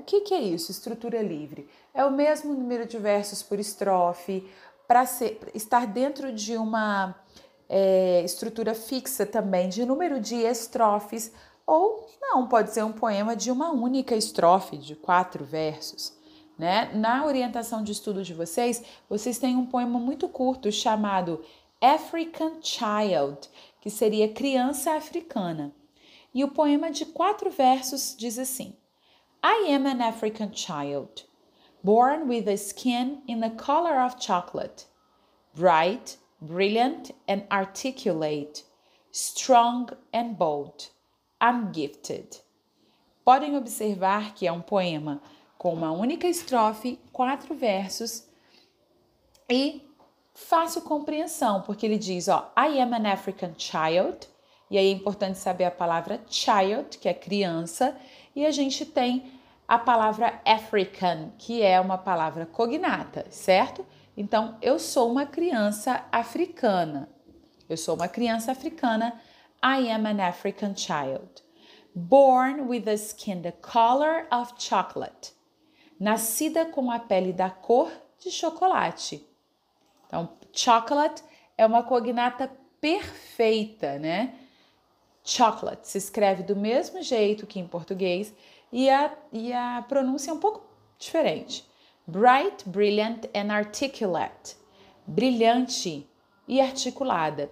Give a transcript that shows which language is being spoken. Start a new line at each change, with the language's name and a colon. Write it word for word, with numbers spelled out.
Portuguese: O que, que é isso, estrutura livre? É o mesmo número de versos por estrofe, para estar dentro de uma é, estrutura fixa também, de número de estrofes, ou não, pode ser um poema de uma única estrofe, de quatro versos, né? Na orientação de estudo de vocês, vocês têm um poema muito curto chamado African Child, que seria criança africana. E o poema de quatro versos diz assim:
English: I am an African child, born with a skin in the color of chocolate, bright, brilliant and articulate, strong and bold. I'm gifted.
Portuguese: Podem observar que é um poema com uma única estrofe, quatro versos e fácil compreensão, porque ele diz, ó,
English: I am an African child.
Portuguese: E aí é importante saber a palavra child, que é criança, e a gente tem a palavra African, que é uma palavra cognata, certo? Então, eu sou uma criança africana. Eu sou uma criança africana.
English: I am an African child. Born with a skin the color of chocolate.
Portuguese: Nascida com a pele da cor de chocolate. Então, chocolate é uma cognata perfeita, né? Chocolate se escreve do mesmo jeito que em português e a, e a pronúncia é um pouco diferente.
English: Bright, brilliant and articulate.
Portuguese: Brilhante e articulada.